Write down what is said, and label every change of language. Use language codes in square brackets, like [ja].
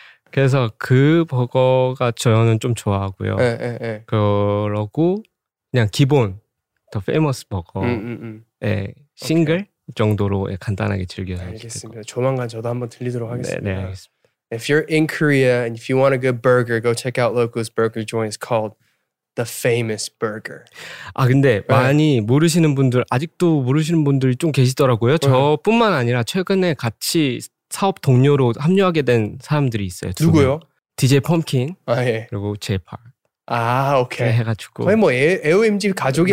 [ko] 그래서 그 버거가 저는 좀 좋아하고요. 네, 네, 네. 그러고 그냥 기본 더 페이머스 버거 네, 싱글 오케이. 정도로 간단하게 즐겨요. 알겠습니다. 조만간 저도 한번 들리도록 하겠습니다. 네, 네, 알겠습니다. [en] If you're in Korea and if you want a good burger, go check out Locust Burger Joint. It's called The Famous Burger. [ko] 아 근데 네. 많이 모르시는 분들 아직도 모르시는 분들이 좀 계시더라고요. 네. 저뿐만 아니라 최근에 같이 사업 동료로 합류하게 된 사람들이 있어요. 누구요? DJ 펌킨 아, 예. 그리고 제이팔. 아 오케이. 네, 해가지고 거의 뭐 AOMG 가족이